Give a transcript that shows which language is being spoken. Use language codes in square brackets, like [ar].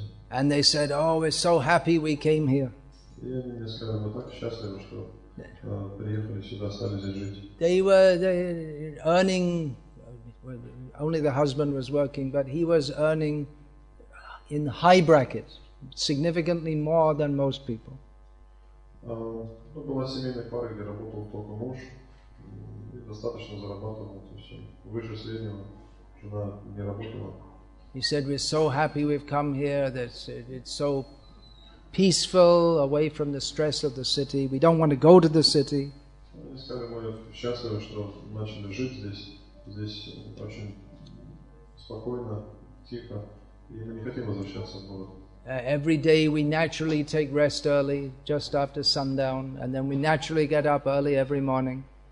[en] And they said, oh, we're so happy we came here. They were earning, only the husband was working, but he was earning in high brackets, significantly more than most people. [ru] Была семейная пара, где работал только муж, и достаточно зарабатывал, то есть выше среднего, жена не работала. [en] He said, we're so happy we've come here, that it's so peaceful, away from the stress of the city, we don't want to go to the city. [ru] Они сказали, мы счастливы, что начали жить здесь очень спокойно, тихо, и мы не хотим возвращаться в город. [en] Every day we naturally take rest early, just after sundown, and then we naturally get up early every morning.